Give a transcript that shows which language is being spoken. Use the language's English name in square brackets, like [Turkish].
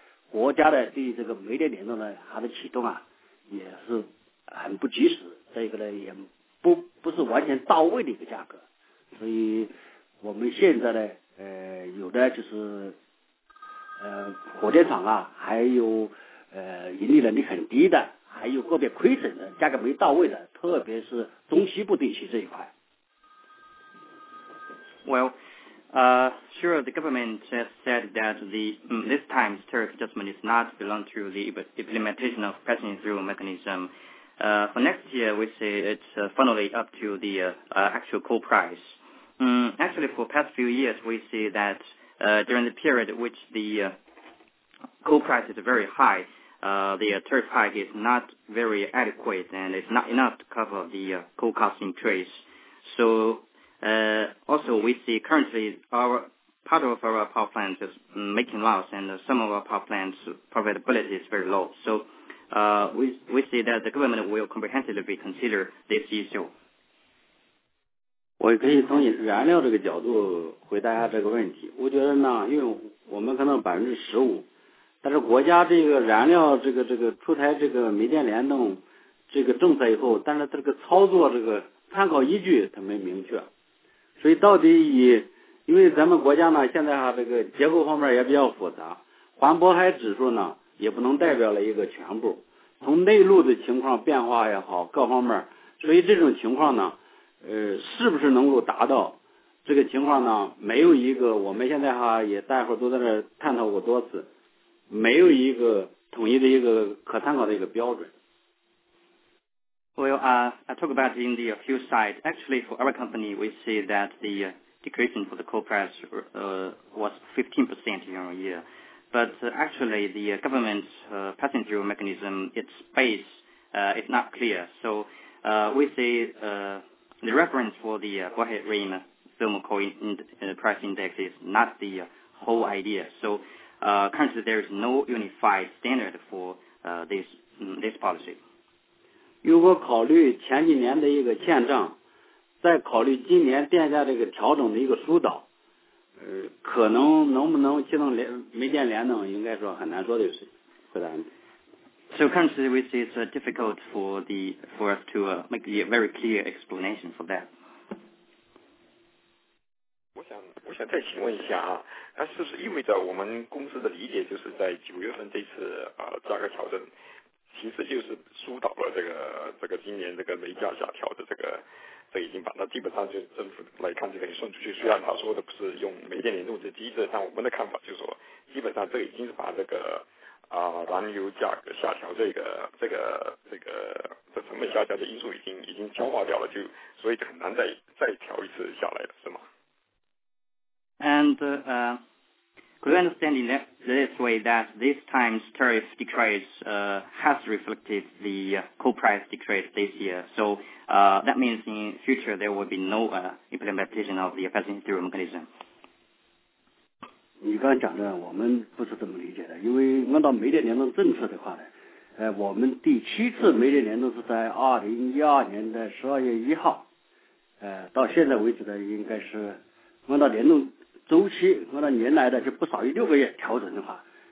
[Chinese] 国家的对这个煤电联动呢，它的启动啊也是很不及时，这个呢也不是完全到位的一个价格，所以我们现在呢，有的就是火电厂啊，还有盈利能力很低的。还有个别亏损的价格没到位的，特别是中西部地区这一块。 [English] Well, sure, the government has said that this time's tariff adjustment is not belong to the implementation of passing through mechanism. For next year, we say it's finally up to the actual coal price. Actually, for past few years, we see that during the period which the coal price is very high, the tariff hike is not very adequate and it's not enough to cover the coal cost increase. So also we see currently part of our power plants is making loss and some of our power plants' profitability is very low. So we see that the government will comprehensively consider this issue. [Chinese] 我可以从燃料这个角度回答一下这个问题。我觉得呢，因为我们可能15%，但是国家这个燃料这个出台这个煤电联动这个政策以后，但是这个操作这个参考依据它没明确，所以到底因为咱们国家呢现在哈这个结构方面也比较复杂，环渤海指数呢也不能代表了一个全部，从内陆的情况变化也好各方面，所以这种情况呢是不是能够达到这个情况呢，没有一个，我们现在哈也大伙都在这探讨过多次，没有一个统一的一个可参考的一个标准。 [English] Well, I talk about in the fuel side. Actually, for our company, we see that the decrease for the coal price was 15% year-on-year. But actually, the government's passing through mechanism, its base is not clear. So we see the reference for the Bohai Rim thermal coal price index is not the whole idea. So currently, there is no unified standard for this policy. [Chinese] 如果考虑前几年的一个欠账，再考虑今年电价这个调整的一个疏导，可能能不能启动煤电联动，应该说很难说的事情。回答你。 [English] So currently, we see it's difficult for us to make a very clear explanation for that. [Chinese] 我想再请问一下啊，那是不是意味着我们公司的理解就是在9月份这次价格调整，其实就是疏导了这个今年这个煤价下调的这已经把那基本上就政府来看这个也算出去，虽然他说的不是用煤电联动的机制，但我们的看法就是说，基本上这已经是把这个燃油价格下调这成本下降的因素已经消化掉了，就所以很难再调一次下来了，是吗？ [English] And could you understand in this way that this time's tariff decrease has reflected the coal price decrease this year? So that means in future there will be no implementation of the passing through mechanism. [Chinese] 你刚讲的我们不是这么理解的，因为按照煤电联动政策的话呢，我们第七次煤电联动是在2012年的12月1号，到现在为止呢，应该是按照联动周期，按照年来的就不少于6个月调整的话，